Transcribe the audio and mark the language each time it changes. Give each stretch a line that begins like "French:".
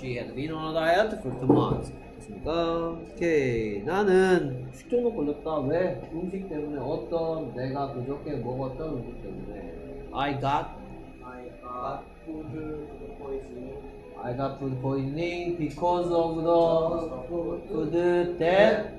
English: She had been on a diet for 2 months.
Korean: 됐습니까? 오케이. 나는 식중독 걸렸다. 왜? 음식 때문에. 어떤 내가 그저께 먹었던 음식 때문에.
English: I got food poisoning. I got food poisoning because of the food that